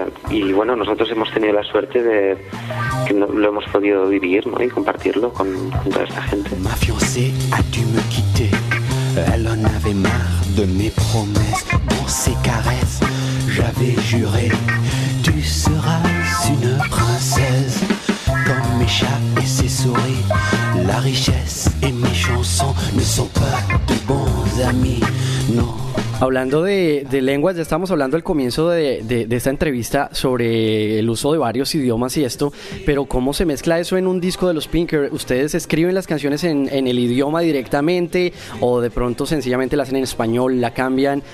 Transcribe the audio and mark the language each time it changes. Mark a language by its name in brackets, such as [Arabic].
[Spanish] Y bueno, nosotros hemos tenido la suerte de que lo hemos podido vivir, ¿no? Y compartirlo con toda esta gente. [French] Ma fiancée a dû me quitter. Elle en avait marre de mes promesses. Dans ses caresses, j'avais juré. Tu seras une princesse. Comme mes chats et ses souris. La richesse et mes chansons ne sont pas de bons amis. Non. [Spanish] Hablando de lenguas, ya estamos hablando al comienzo de esta entrevista sobre el uso de varios idiomas y esto, pero ¿cómo se mezcla eso en un disco de los Pinker? ¿Ustedes escriben las canciones en el idioma directamente o de pronto sencillamente la hacen en español, la cambian?